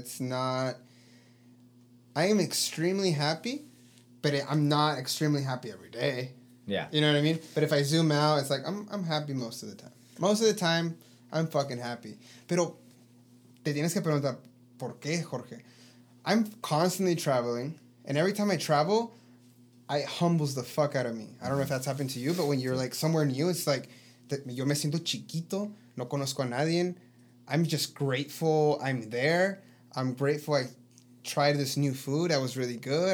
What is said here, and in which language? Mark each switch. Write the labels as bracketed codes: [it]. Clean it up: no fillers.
[en] I am extremely happy, but I'm not extremely happy every day. Yeah. You know what I mean? But if I zoom out, it's like, I'm happy most of the time. Most of the time, I'm fucking happy. [es] Pero te tienes que preguntar, ¿por qué, Jorge? [en] I'm constantly traveling, and every time I travel, I humbles the fuck out of me. I don't know if that's happened to you, but when you're like somewhere new, it's like, [es] yo me siento chiquito, no conozco a nadie. [en] I'm just grateful I'm there. I'm grateful I tried this new food that was really good.